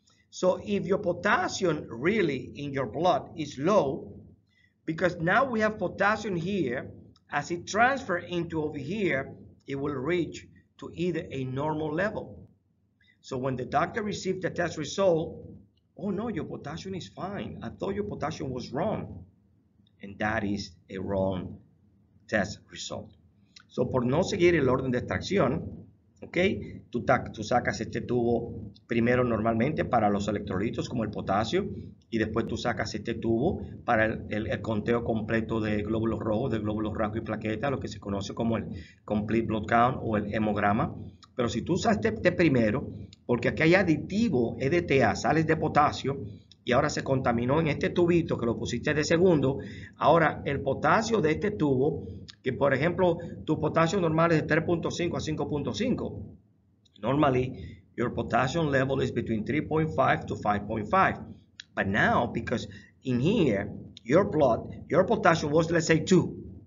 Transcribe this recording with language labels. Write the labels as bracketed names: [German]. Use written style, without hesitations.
[English] So if your potassium really in your blood is low, because now we have potassium here, as it transfers into over here, it will reach to either a normal level. So when the doctor received the test result, oh no, your potassium is fine. I thought your potassium was wrong. And that is a wrong test result. [Spanish] So, por no seguir el orden de extracción, ¿ok? Tú sacas este tubo primero normalmente para los electrolitos como el potasio y después tú sacas este tubo para el conteo completo de glóbulos rojos, de glóbulos rojos y plaquetas, lo que se conoce como el complete blood count o el hemograma. Pero si tú usas este primero, porque aquí hay aditivo EDTA, sales de potasio y ahora se contaminó en este tubito que lo pusiste de segundo, ahora el potasio de este tubo, que por ejemplo tu potasio normal es de 3.5 a 5.5, [English] normally your potassium level is between 3.5 to 5.5. But now, because in here, your blood, your potassium was, let's say, 2.